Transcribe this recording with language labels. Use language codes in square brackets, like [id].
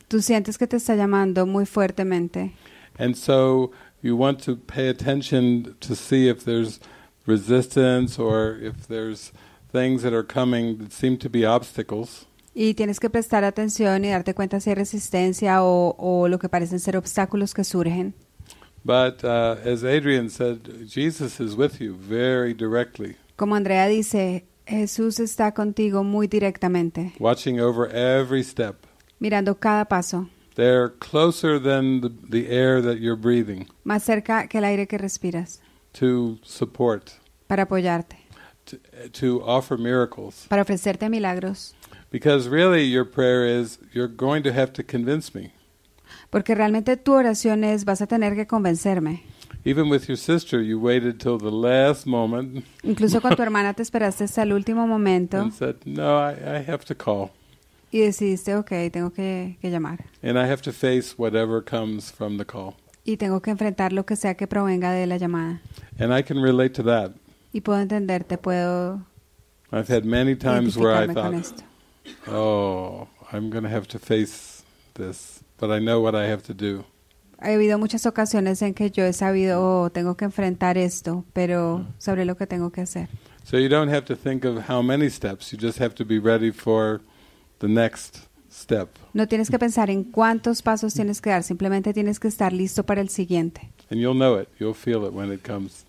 [es] Tú sientes que te está llamando muy fuertemente. [en] And so you want to pay attention to see if there's resistance or if there's things that are coming that seem to be obstacles. [es] Y tienes que prestar atención y darte cuenta si hay resistencia o lo que parecen ser obstáculos que surgen. [en] But as Adrian said, Jesus is with you very directly. [es] Como Andrea dice, Jesús está contigo muy directamente. [en] Watching over every step. [es] Mirando cada paso. [en] They're closer than the air that you're breathing. [es] Más cerca que el aire que respiras. [en] To support. [es] Para apoyarte. [en] To offer miracles. [es] Para ofrecerte milagros. [en] Because really your prayer is, you're going to have to convince me. [es] Porque realmente tu oración es, vas a tener que convencerme. [en] Even with your sister, you waited till the last moment. [es] Incluso con tu hermana te esperaste hasta el último momento. [en] And said, no, I have to call. [es] Y decidiste, okay, tengo que llamar. [en] And I have to face whatever comes from the call. [es] Y tengo que enfrentar lo que sea que provenga de la llamada. [en] And I can relate to that. [es] Y puedo entenderte, puedo. [en] I've had many times where I thought, oh, I'm going to have to face this, but I know what I have to do. [es] Ha habido muchas ocasiones en que yo he sabido, oh, tengo que enfrentar esto, pero sabré lo que tengo que hacer. [en] So you don't have to think of how many steps, you just have to be ready for the next step. [es] No tienes que pensar en cuántos pasos tienes que dar, simplemente tienes que estar listo para el siguiente. [en] And you'll know it, you'll feel it when it comes.